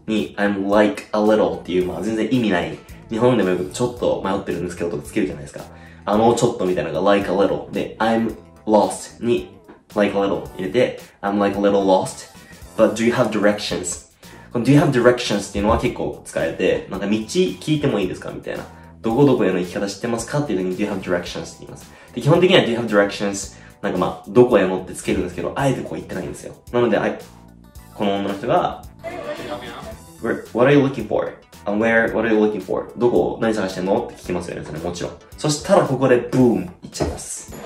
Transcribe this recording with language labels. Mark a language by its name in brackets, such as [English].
[Japanese] に、 [English] I'm like a little [Japanese] っていう、まあ全然意味ない。日本でもよくちょっと迷ってるんですけどとかつけるじゃないですか。あのちょっとみたいなのが like a little。 [English] で、I'm lost に like a little 入れて、I'm like a little lost. But do you have directions? Do you have directions? [Japanese] っていうのは結構使えて、なんか道聞いてもいいですかみたいな。どこどこへの行き方知ってますかっていう時に [English] Do you have directions? [Japanese] って言います。 [English] で、基本的には Do you have directions? [Japanese] なんかまあ、どこへのってつけるんですけど、あえてこう言ってないんですよ。なので、この女の人が、 [English] What are you looking for? What are you looking for? [Japanese] どこ何探してんのって聞きますよね、もちろん。そしたらここで、ブーン行っちゃいます。